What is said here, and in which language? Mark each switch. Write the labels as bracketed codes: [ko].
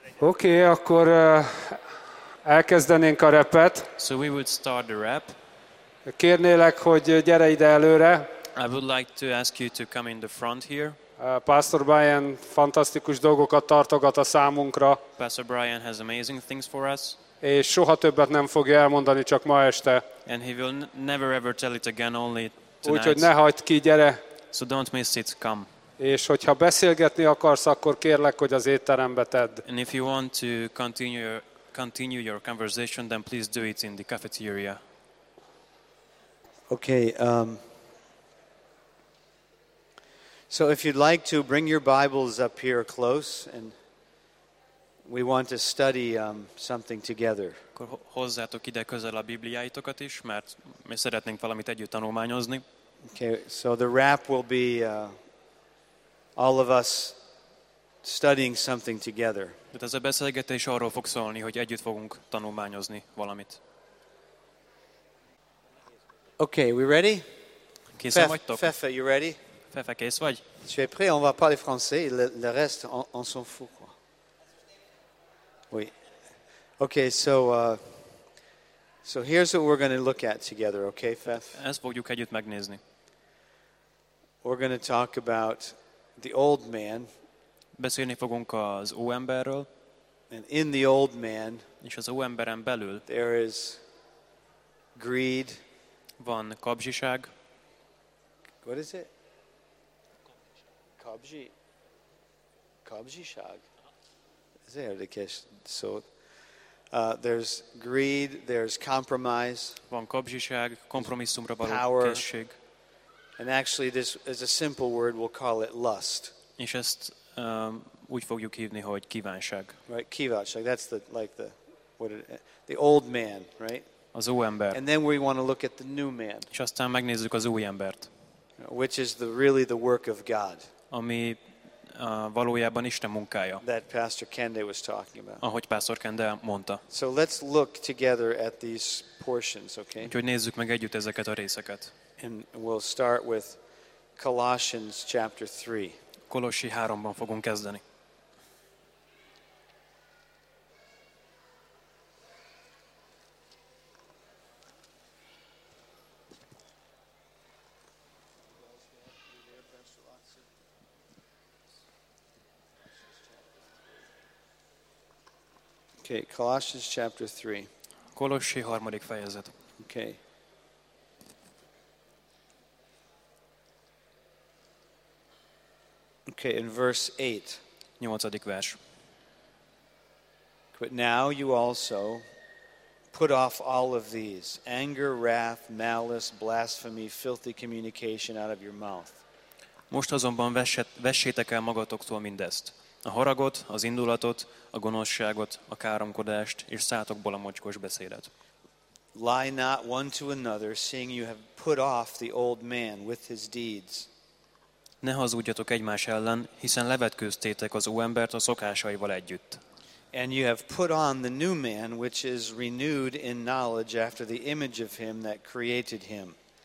[hu] Oké, akkor elkezdenénk a repet. [en] So we would start the rap. [hu] Kérnélek, hogy gyere ide előre. [en] I would like to ask you to come in the front here. [hu] Pastor Brian fantasztikus dolgokat tartogat a számunkra. [en] Pastor Brian has amazing things for us. [hu] És soha többet nem fogja elmondani, csak ma este. [en] And he will never ever tell it again, only tonight. [hu] Úgyhogy ne hagyd ki, gyere. [en] So don't miss it, come. [hu] És hogyha beszélgetni akarsz, akkor kérlek, hogy az étterembe tedd. [en] And if you want to continue your conversation, then please do it in the cafeteria. Okay. So if you'd like to bring your Bibles up here close, and we want to study something together. [hu] Akkor hozzátok ide közel a Bibliáitokat is, mert mi szeretnénk valamit együtt tanulmányozni. [en] Okay. So the wrap will be all of us studying something together. [hu] De ez a beszélgetés arról fog szólni, hogy együtt fogunk tanulmányozni valamit. [en] Okay, we ready? [hu] Készen vagytok? [en] Fefe, you ready? [hu] Fefe, kész vagy? [fr] Tu es prêt, on va parler français, le reste, on s'en fout, quoi. Oui. [en] Okay, so here's what we're going to look at together, okay, Fefe? [hu] Ezt fogjuk együtt megnézni. [en] We're going to talk about the old man. [hu] Beszélni fogunk az óemberről. [en] And in the old man, [hu] és az óemberen belül, [en] there is greed. [hu] Van kapzsiság. [en] What is it? [hu] Kapzsiság. Ez érdekes szó. [en] There's greed, there's compromise. [hu] Van kapzsiság, kompromisszumra való készség. [en] And actually this is a simple word, we'll call it lust. [hu] És ezt úgy fogjuk hívni, hogy kívánság. [en] Right, kívánság. That's the old man, right? [hu] Az új ember. [en] And then we want to look at the new man. [hu] És aztán megnézzük az új embert. [en] Which is really the work of God. [hu] Ami valójában Isten munkája. [en] That Pastor Kende was talking about. [hu] Ahogy Pastor Kende mondta. [en] So let's look together at these portions, okay? [hu] Úgyhogy nézzük meg együtt ezeket a részeket. [en] And we'll start with Colossians chapter 3. [hu] Kolossi 3-ban fogunk kezdeni. [en] Okay, Colossians chapter 3. [hu] Kolossi 3. fejezet. [en] Okay. Okay, in verse 8. [hu] 8. vers. [en] But now you also put off all of these: anger, wrath, malice, blasphemy, filthy communication out of your mouth. [hu] Most azonban vessétek el magatoktól mindezt: a haragot, az indulatot, a gonoszságot, a káromkodást, és szátokból a mocskos beszédet. [en] Lie not one to another, seeing you have put off the old man with his deeds. [hu] Ne hazudjatok egymás ellen, hiszen levetkőztétek az új embert a szokásaival együtt. [en] And you have put on the new man, which is renewed in knowledge after the image of him that created him.